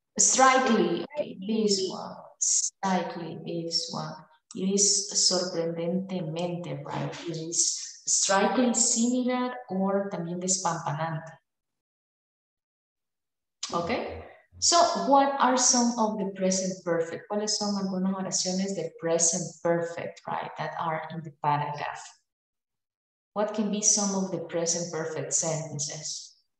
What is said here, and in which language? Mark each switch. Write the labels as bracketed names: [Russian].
[English] this one. It is sorprendentemente, right? It is strikingly similar or [Spanish] también despampanante. [English] Okay? So, what are some of the present perfect? [Spanish] ¿Cuáles son algunas oraciones del present perfect, [English] right? That are in the paragraph. What can be some of the present perfect sentences?